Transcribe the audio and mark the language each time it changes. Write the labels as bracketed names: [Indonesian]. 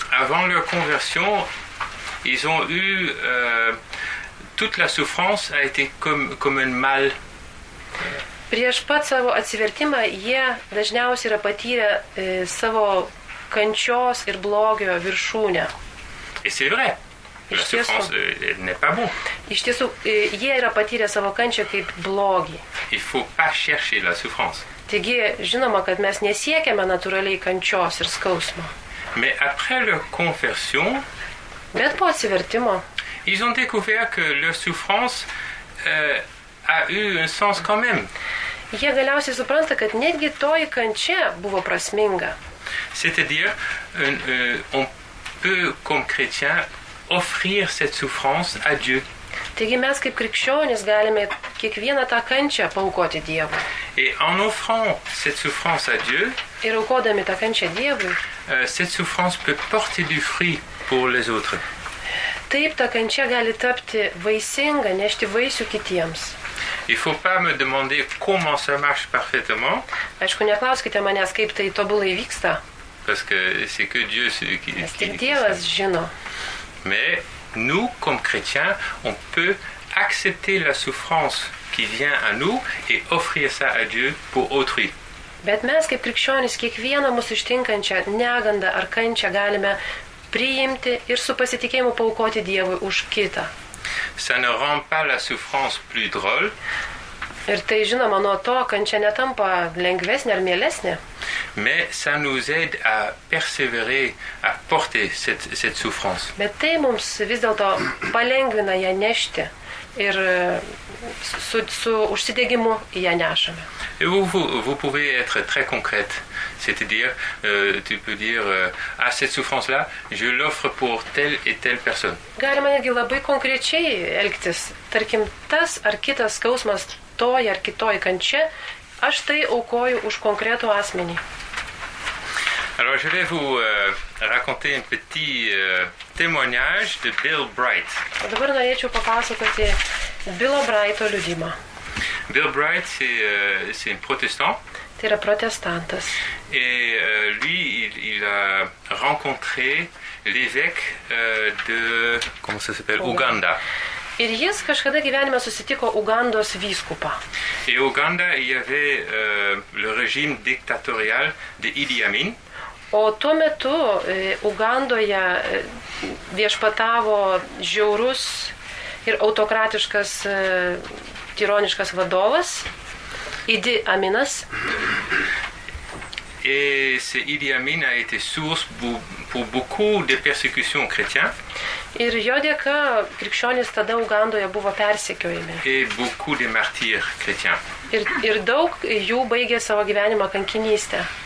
[French] Avant leur conversion, ils ont eu toute la souffrance a été comme un mal. [Lithuanian] Prieš pat savo atsivertimą jie dažniausiai yra patyrę savo kančios ir blogio viršūnę. [French] Et c'est vrai. La souffrance n'est pas bon. [Lithuanian] Iš tiesų, jie yra patyrę savo kančią kaip blogį. [French] Il faut pas chercher la souffrance. [Lithuanian] Taigi, žinoma, kad mes nesiekiame natūraliai kančios ir skausmo. [French] Mais après leur conversion, [Lithuanian] bet po atsivertimo, [French] ils ont découvert que leur souffrance a eu un sens quand même. [Lithuanian] Jie galiausiai supranta, kad netgi toji kančia buvo prasminga. [French] C'est-à-dire, on peut, comme chrétien, offrir cette souffrance à Dieu. [Lithuanian] Taigi mes kaip krikščionis galime kiekvieną tą kančią paukoti Dievui. [French] Et en offrant cette souffrance à Dieu, [Lithuanian] ir aukodami tą kančią Dievui, [French] cette souffrance peut porter du fruit pour les autres. [Lithuanian] Taip ta kančia gali tapti vaisinga, nešti vaisių kitiems. [French] Il faut pas me demander comment ça marche parfaitement. [Lithuanian] Aišku, neklauskite manęs, kaip tai tobulai vyksta. [French] Parce que c'est que Dieu qui [Lithuanian] sait. Tik Dievas žino. [French] Mais nous, comme chrétiens, on peut accepter la souffrance qui vient à nous et offrir ça à Dieu pour autrui. [Lithuanian] Bet mes, kaip krikščionis, kiekvieną mūsų ištinkančią negandą ar kančią galime priimti ir su pasitikėjimu paukoti Dievui už kitą. [French] Ça ne rend pas la souffrance plus drôle. [Lithuanian] Ir tai, žinoma, nuo to kančia netampa lengvesnė ar mielesnė. [French] Mais ça nous aide à persévérer, à porter cette souffrance. [Lithuanian] Bet tai mums vis dėlto palengvina ją nešti ir su užsidėgimu ją nešame. [French] Et vous pouvez être très concrète. C'est-à-dire, tu peux dire, à cette souffrance-là, je l'offre pour telle et telle personne. [Lithuanian] Galima netgi labai konkrečiai elgtis. Tarkim, tas ar kitas skausmas toj ar kitoj kančia, aš tai aukoju už konkretų asmenį. [French] Alors, je vais vous raconter un petit témoignage de Bill Bright. [Lithuanian] O dabar norėčiau papasakoti Billo Brighto liudimą. [French] Bill Bright, c'est un protestant. [Lithuanian] Tai yra protestantas. [French] Et lui, il a rencontré l'évêque de, comment ça s'appelle, Uganda. [Lithuanian] Ir jis kažkada gyvenime susitiko Ugandos vyskupą. [French] Et Uganda, il y avait le régime dictatorial de Idi Amin. [Lithuanian] O tuo metu Ugandoje viešpatavo žiaurus ir autokratiškas, tironiškas vadovas Idi Aminas. [French] Et c'est Idi Amin a été source pour beaucoup de persécutions chrétiens. [Lithuanian] Ir jo dėka krikščionys tada Ugandoje buvo persekiojami. [French] Et beaucoup de martyrs chrétiens. [Lithuanian] Ir daug jų baigė savo gyvenimą kankinystę.